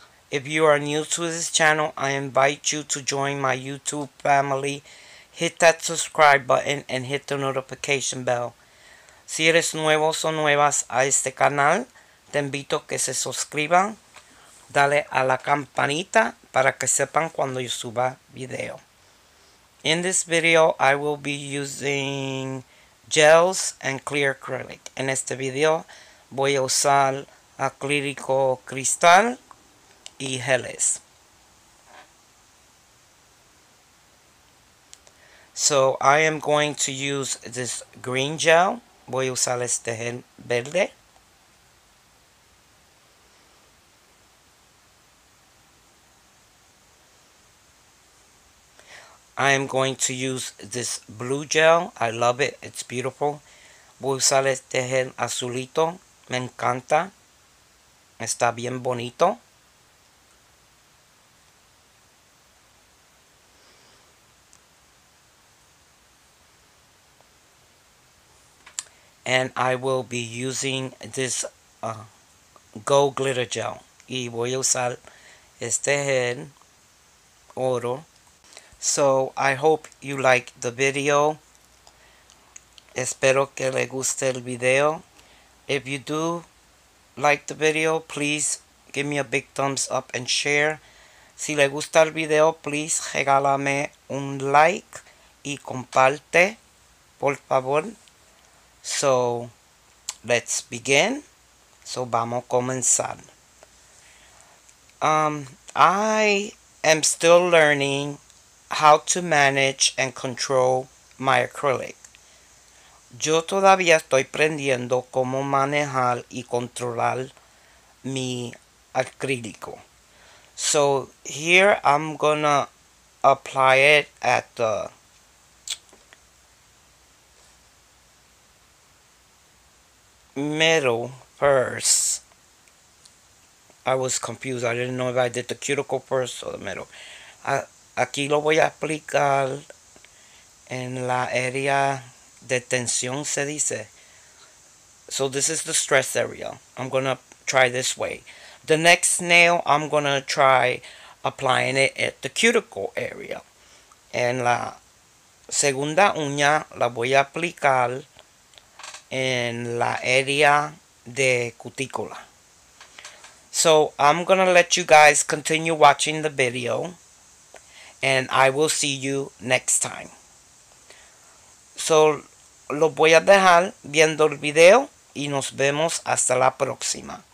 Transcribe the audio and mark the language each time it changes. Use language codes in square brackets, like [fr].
[en] If you are new to this channel, I invite you to join my YouTube family. Hit that subscribe button and hit the notification bell. [es] Si eres nuevo o nuevas a este canal, te invito a que se suscriban. Dale a la campanita para que sepan cuando yo suba video. [en] In this video, I will be using gels and clear acrylic. [es] En este video, voy a usar acrílico cristal y geles. [en] So, I am going to use this green gel. [es] Voy a usar este gel verde. [en] I am going to use this blue gel. I love it. It's beautiful. [es] Voy a usar este gel azulito. Me encanta. Está bien bonito. [en] And I will be using this gold glitter gel. [es] Y voy a usar este gel oro. [en] So, I hope you like the video. [es] Espero que le guste el video. [en] If you do like the video, please give me a big thumbs up and share. [es] Si le gusta el video, [en] please [es] regálame un like y comparte, por favor. [en] So, let's begin. So, [es] vamos a comenzar. [en] I am still learning how to manage and control my acrylic. [es] Yo todavía estoy aprendiendo cómo manejar y controlar mi acrílico. [en] So here I'm gonna apply it at the middle first. I was confused. I didn't know if I did the cuticle first or the middle. [es] Aquí lo voy a aplicar en la área de tensión, se dice. [en] So this is the stress area. I'm going to try this way. The next nail, I'm going to try applying it at the cuticle area. [es] En la segunda uña, la voy a aplicar en la área de cutícula. [en] So I'm going to let you guys continue watching the video. And I will see you next time. [es] So, lo voy a dejar viendo el video y nos vemos hasta la próxima.